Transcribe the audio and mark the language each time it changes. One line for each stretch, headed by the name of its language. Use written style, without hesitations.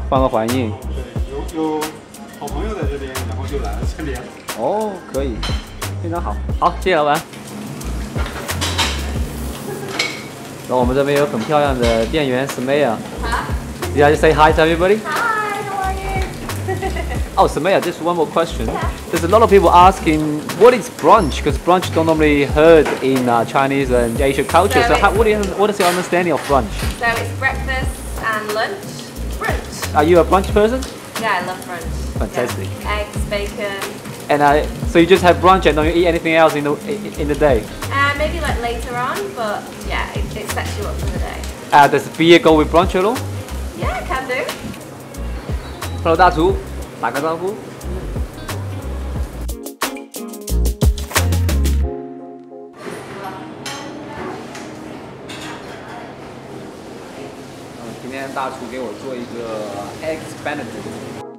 Chinese: 换个环境。对，有好朋友在这边，然后就来了这边。哦，可以，非常好。好，谢谢老板。然后我们这边有很漂亮的店员 Smaya。好。
English: You guys say hi to everybody。 Oh, Samaya, just one more question. Yeah. There's a lot of people asking, what is brunch? Because brunch don't normally heard in Chinese and Asian culture. So what is your understanding of brunch? So it's breakfast and lunch. Brunch. Are you a brunch person? Yeah, I love brunch. Fantastic. Yeah. Eggs, bacon. And so you just have brunch and don't eat anything else in the day? Maybe like later on, but yeah, it sets you up for the day. Does beer go with brunch alone? Yeah, can do. Hello,
Chinese: 大厨，打个招呼。今天大厨给我做一个 Eggs Benedict。